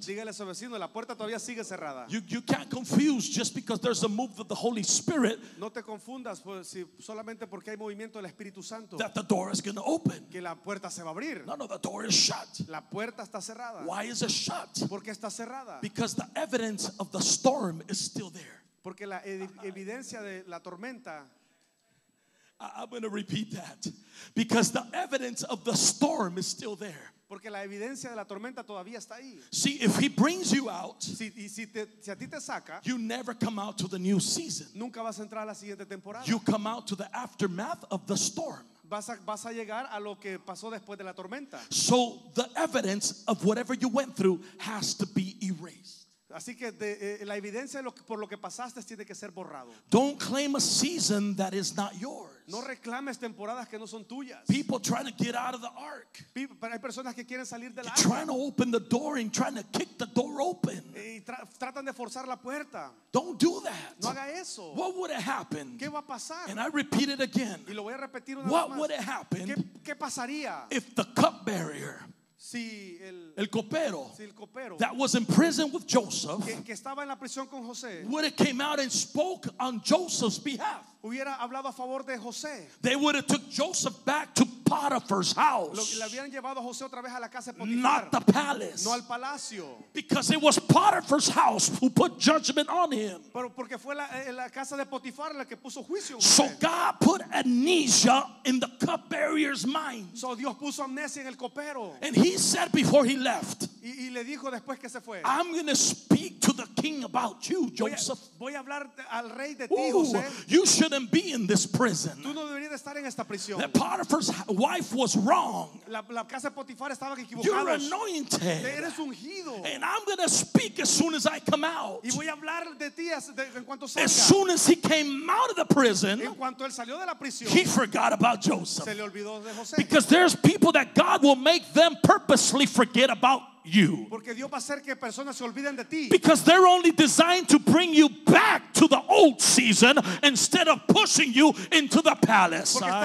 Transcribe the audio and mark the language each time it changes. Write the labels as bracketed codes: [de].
[es] Dígale a su vecino, la puerta todavía sigue cerrada. [en] You can't confuse just because there's a move of the Holy Spirit. [es] No te confundas si solamente porque hay movimiento del Espíritu Santo. [en] That the door is going to open. [es] Que la puerta se va a abrir. [en] No, the door is shut. [es] La puerta está cerrada. [en] Why is it shut? [es] Porque está cerrada. [en] Because the evidence of the storm is still there. [es] Porque la evidencia de la tormenta. [en] I'm going to repeat that because the evidence of the storm is still there. [es] Porque la evidencia de la tormenta todavía está ahí. [en] See, if he brings you out, [es] si a ti te saca, [en] you never come out to the new season. [es] Nunca vas a entrar a la siguiente temporada. [en] You come out to the aftermath of the storm. [es] Vas a llegar a lo que pasó después de la tormenta. [en] So the evidence of whatever you went through has to be erased. [es] Así que la evidencia por lo que pasaste tiene que ser borrado. [en] Don't claim a season that is not yours. [es] No reclames temporadas que no son tuyas. [en] People trying to get out of the ark. [es] Hay personas que quieren salir del arca. [en] Trying to open the door and trying to kick the door open. [es] Tratan de forzar la puerta. [en] Don't do that. [es] No haga eso. [en] What would have happened? [es] ¿Qué va a pasar? [en] And I repeat it again. [es] Y lo voy a repetir una vez más. [en] What would have happened? [es] ¿Qué pasaría? [en] If the cup bearer. [es] Si el copero, si el copero [en] that was in prison with Joseph [es] que estaba en la prisión con José, [en] would have came out and spoke on Joseph's behalf. [es] Hubiera hablado a favor de José. [en] They would have took Joseph back to Potiphar's house. [es] Le habían llevado a José otra vez a la casa de [en] Potiphar. Not the palace. [es] No al palacio. [en] Because it was Potiphar's house who put judgment on him. [es] Pero porque fue la casa de Potifar la que puso juicio. [en] So God put amnesia in the cupbearer's mind. [es] So Dios puso amnesia en el copero. [en] And he said before he left. [es] Y le dijo después que se fue. [en] I'm going to speak to the king about you, Joseph. [es] Voy a hablar al rey de ti, José. [en] You shouldn't be in this prison. [es] Tú no deberías estar en esta prisión. [en] The Potiphar's wife was wrong. [es] La casa de Potifar estaba equivocada. [en] You're anointed. [es] Eres ungido. [en] And I'm going to speak as soon as I come out. [es] Y voy a hablar de ti en cuanto salga. [en] As soon as he came out of the prison, [es] en cuanto él salió de la prisión, [en] he forgot about Joseph. [es] Se le olvidó de José. [en] Because there's people that God will make them purposely forget about you. [es] Porque Dios va a hacer que personas se olviden de ti. [en] Because they're only designed to bring you back to the old season instead of pushing you into the palace.